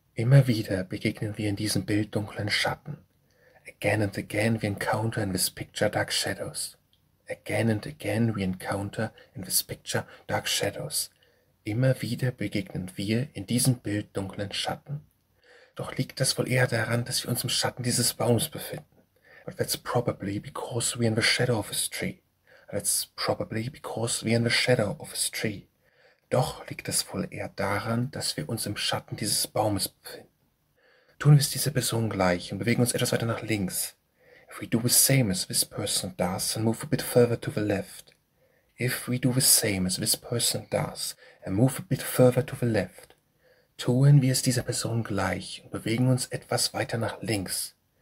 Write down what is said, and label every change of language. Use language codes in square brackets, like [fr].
[de] Immer wieder begegnen wir in diesem Bild dunklen Schatten. [en] Again and again we encounter in this picture dark shadows. Again and again we encounter in this picture dark shadows. [de] Immer wieder begegnen wir in diesem Bild dunklen Schatten. Doch liegt das wohl eher daran, dass wir uns im Schatten dieses Baums befinden? [en] But that's probably because we're in the shadow of this tree. That's probably because we're in the shadow of this tree. [de] Doch liegt es wohl eher daran, dass wir uns im Schatten dieses Baumes befinden. Tun wir es dieser Person gleich und bewegen uns etwas weiter nach links. [en] If we do the same as this person does and move a bit further to the left. If we do the same as this person does and move a bit further to the left. [de] Tun wir es dieser Person gleich und bewegen uns etwas weiter nach links.